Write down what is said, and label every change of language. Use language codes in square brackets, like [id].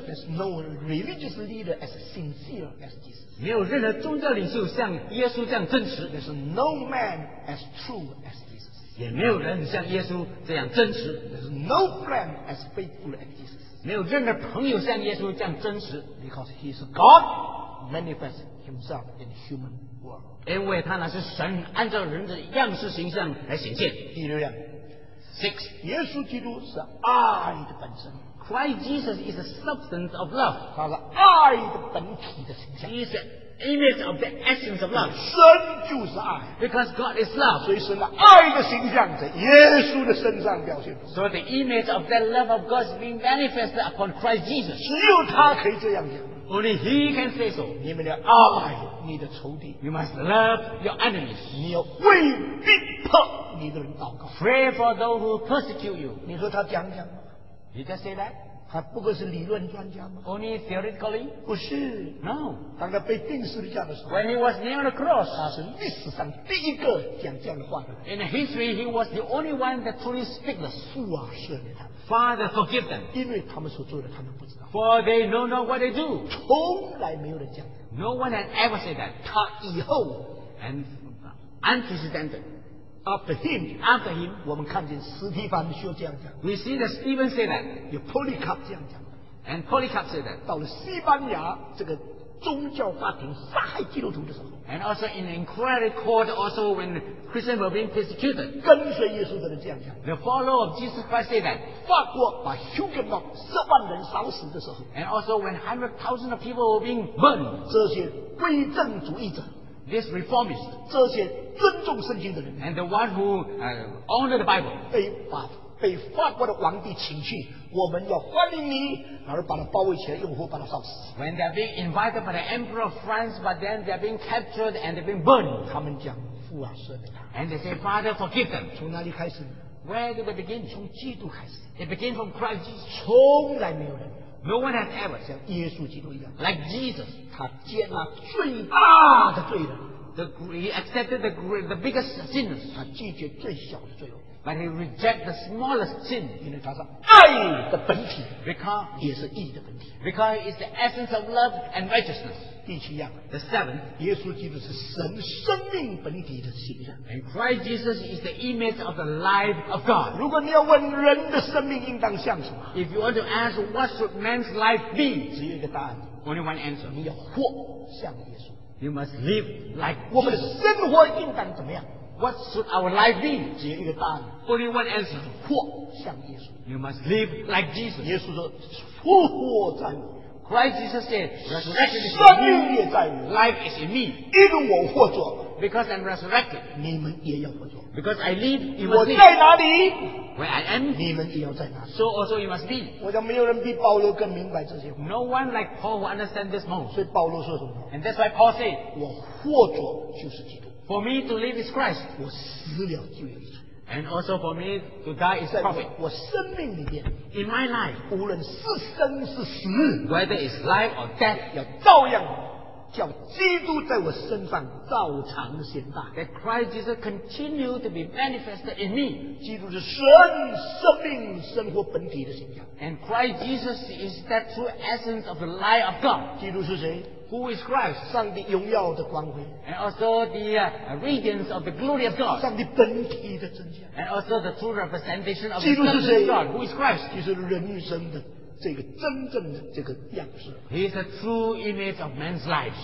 [en] there's no religious leader as sincere as Jesus. [zh] 没有任何宗教领袖像耶稣这样真实, [en] there's no man as true as Jesus. [zh] 也没有人像耶稣这样真实, [en] there's no friend as faithful as Jesus. [zh] 没有任何朋友像耶稣这样真实。 [en] Because he is God manifest himself in human world. [zh] 因为他乃是神按照人的样式形象来显现。第六样 [en] ，Six， [zh] 耶稣基督是爱的本身。 [en] Christ Jesus is the substance of love. [zh] 他是爱的本体的形象。 [en] He is the image of the essence of love. [zh] 神就是爱。 [en] Because God is love. [zh] 所以神的爱的形象在耶稣的身上表现。 [en] So the image of that love of God is being manifested upon Christ Jesus. [zh] 只有他可以这样讲。 [en] Only he can say so. [zh] 你们要爱你的仇敌。 [en] You must love your enemies. [zh] 你要为逼迫你的人祷告。 [en] Pray for those who persecute you. [zh] 你说他讲讲。 [en] You just say that? [zh] 他不过是理论专家吗？ [en] Only theoretically? [zh] 不是。 [en] No. [zh] 当他被钉十字架的时候， [en] When he was nailed on the cross, [zh] 他是历史上第一个讲这样的话的。 [en] In history, he was the only one that truly speak the [zh] 父啊，赦免他们。 [en] Father, forgive them. [zh] 因为他们所做的，他们不知道。 [en] For they know not what they do. [zh] 从来没有人讲。 [en] No one had ever said that. [zh] 他以后。 [en] And unprecedented. After him, [zh] 我们看见斯提凡说这样讲。 [en] We see that Stephen say that. [zh] 有 Polycarp 这样讲。 [en] And Polycarp say that. [zh] 到了西班牙这个宗教法庭杀害基督徒的时候。 [en] And also in inquiry court, also when Christians were being persecuted. [zh] 跟随耶稣的人这样讲。 [en] The follower of Jesus Christ say that. [zh] 法国把 Huguenot 十万人烧死的时候。 [en] And also when 100,000 of people were being burned. [zh] 这些归正主义者。 [en] This reformist, [zh] 这些尊重圣经的人 [en] and the one who honored the Bible, [zh] 被法国的皇帝请去，我们要欢迎你，而把他包围起来，用火把他烧死。 [en] When they are being invited by the Emperor of France, but then they are being captured and they are being burned, [zh] 他们讲父啊，赦免他。 [en] And they say, Father, forgive them. [zh] 从哪里开始？ [en] Where did they begin? [zh] 从基督开始。 [en] It began from Christ Jesus. [zh] 从来没有人。 [en] No one has ever [zh] 像耶稣基督一样 [en] ，like Jesus， [zh] 他接纳最大的罪人 [en] ，he accepted the biggest sins， [zh] 他拒绝最小的罪恶 [en] ，but he reject the smallest sin， [zh] 因为他是爱的本体 [en] ，because [zh] 也是义的本体 [en] ，because it's the essence of love and righteousness。 [zh] 第七样 [en] ，the seventh， [zh] 耶稣基督是神生命本体的形象 [en] ，and Christ Jesus is the image of the life of God。 [zh] 如果你要问人的生命应当像什么 [en] ，if you want to ask what should man's life be， [zh] 只有一个答案 [en] ，only one answer， [zh] 你要活像耶稣 [en] ，you must live like。 [zh] 我们的生活应当怎么样 [en] ？What should our life be？ [zh] 只有一个答案 [en] ，only one answer， [zh] 活像耶稣 [en] ，you must live like Jesus。 [zh] 耶稣说，复活在你。 [en] Christ Jesus said, resurrection is in me. Life is in me. Because I'm resurrected. [zh] 你们也要活着。 [en] Because I live, you must [zh] 我在哪里? [en] Where I am, [zh] 你们也要在哪里。 [en] So also you must be. [zh] 我想没有人比保罗更明白这些话。 [en] No one like Paul will understand this more. [zh] 所以保罗说什么? [en] And that's why Paul said, [zh] 我活着就是基督。 [en] For me to live is Christ. [zh] 我死了就有益处。 [en] And also for me to die is profit. [zh] 我生命里面 [en] in my life, [zh] 无论是生是死 [en] whether it's life or death, [zh] 要照样叫基督在我身上照常显大 [en] that Christ Jesus continue to be manifested in me. [zh] 基督是神生命生活本体的形象 [en] and Christ Jesus is that true essence of the life of God. [zh] 基督是谁 [en] Who is Christ? [zh] 上帝荣耀的光辉。 [en] And also the radiance of the glory of God. [zh] 上帝本体的真相。 [en] And also the true representation of the glory of God. Who is Christ? [zh] 就是人生的这个真正的这个样式。 [en] He is the true image of man's life.